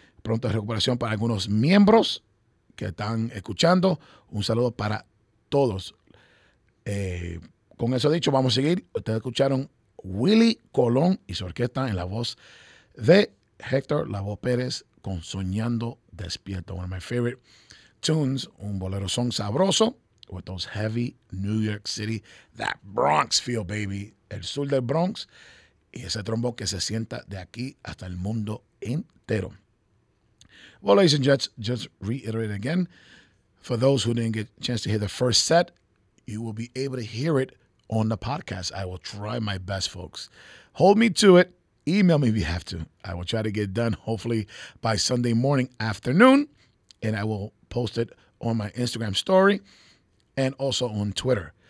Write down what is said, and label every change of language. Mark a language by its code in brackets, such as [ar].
[es] Pronto recuperación para algunos miembros que están escuchando. Un saludo para todos. Con eso dicho, vamos a seguir. Ustedes escucharon Willy Colón y su orquesta en la voz de Héctor Lavoe Pérez con Soñando Despierto. [en] One of my favorite tunes, [es] un bolero son sabroso [en] with those heavy New York City, that Bronx feel, baby. [es] El sur del Bronx y ese trombón que se sienta de aquí hasta el mundo entero. [en] Well, ladies and gents, just reiterate again, for those who didn't get a chance to hear the first set, you will be able to hear it on the podcast. I will try my best, folks. Hold me to it. Email me if you have to. I will try to get it done, hopefully, by Sunday morning afternoon, and I will post it on my Instagram story and also on Twitter.